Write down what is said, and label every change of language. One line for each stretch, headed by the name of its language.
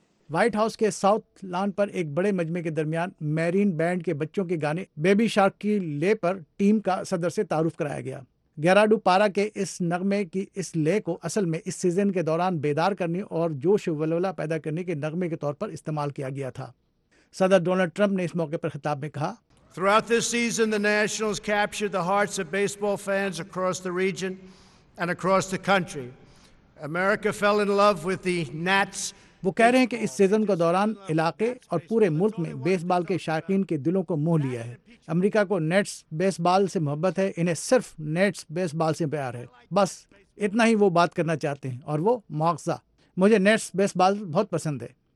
Urdu: White house کے south lawn پر ایک بڑے مجمع کے درمیان میرین بینڈ کے بچوں کے گانے بیبی شارک کی لے پر ٹیم کا صدر سے تعارف کرایا گیا. گیراڈو پارا کے اس نغمے کی اس لے کو اصل میں اس سیزن کے دوران بیدار کرنے اور جوش ولولہ پیدا کرنے کے نغمے کے طور پر استعمال کیا گیا تھا. صدر ڈونلڈ ٹرمپ نے اس موقع پر خطاب میں کہا,
English: Throughout this season, the Nationals captured the hearts of baseball fans across the region and across the country. America fell in love with the Nats.
Urdu: وہ کہہ رہے ہیں کہ اس سیزن کا دوران علاقے اور پورے ملک میں بیس بال کے شائقین کے دلوں کو موہ لیا ہے. امریکہ کو نیٹس بیس بال سے محبت ہے, انہیں صرف نیٹس بیس بال سے پیار ہے, بس اتنا ہی وہ بات کرنا چاہتے ہیں. اور وہ مواخذہ, مجھے نیٹس بیس بال بہت پسند ہے.